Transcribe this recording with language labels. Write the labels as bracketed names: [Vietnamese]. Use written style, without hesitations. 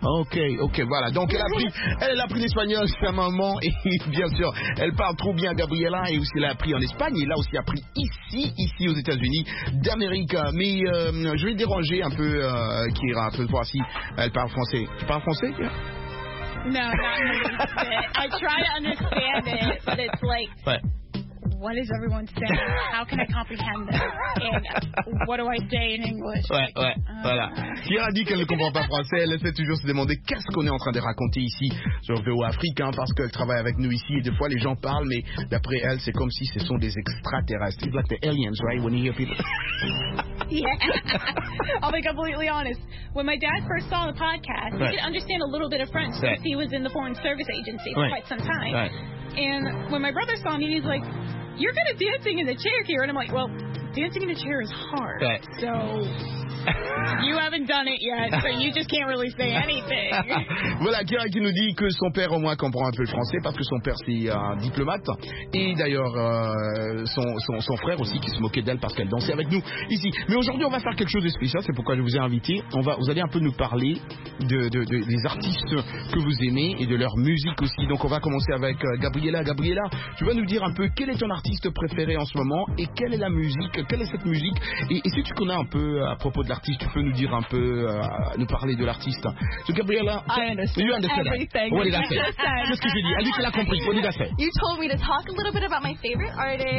[French] Ok, voilà. Donc, elle a pris l'espagnol. Sa maman, et bien sûr, elle parle trop bien Gabriella, et aussi elle a appris en Espagne, et là aussi elle a appris ici aux États-Unis d'Amérique. Mais je vais déranger un peu Kira, pour voir si elle parle français. Tu parles français, Kira? Non, pas vraiment. [English] Je try to understand it, but it's like. Ouais. What is everyone saying? How can I comprehend that? And what do I say in English? [French] Voilà. Kira dit qu'elle ne comprend pas français. Elle essaie toujours de se demander qu'est-ce qu'on est en train de raconter ici sur VO Afrique, hein, parce qu'elle travaille avec nous ici et des fois les gens parlent, mais d'après elle, c'est comme si ce sont des extraterrestres. [English] It's like the aliens, right? When you hear people. Yeah. I'll be completely honest. When my dad first saw the podcast, he could understand a little bit of French because he was in the Foreign Service Agency for quite some time. Right. And when my brother saw me, he's like, you're good at dancing in the chair here. And I'm like, well, dancing in a chair is hard. Bet. So you haven't done it yet, but you just can't really say anything. [French] Voilà, Kira qui nous dit que son père au moins comprend un peu le français parce que son père c'est un diplomate. Et d'ailleurs, son frère aussi qui se moquait d'elle parce qu'elle dansait avec nous ici. Mais aujourd'hui, on va faire quelque chose de spécial, c'est pourquoi je vous ai invité. Vous allez un peu nous parler des artistes que vous aimez et de leur musique aussi. Donc on va commencer avec Gabriela. Gabriela, tu vas nous dire un peu quel est ton artiste préféré en ce moment et quelle est la musique, quelle est cette musique. Et si tu connais un peu à propos de l'artiste, tu peux nous dire un peu, nous parler de l'artiste. [English] So Gabriela, you understand everything. What did I say? [French] Qu'est-ce que j'ai dit? Elle dit qu'elle a compris. What did I say? [English] You told me to talk a little bit about my favorite artist.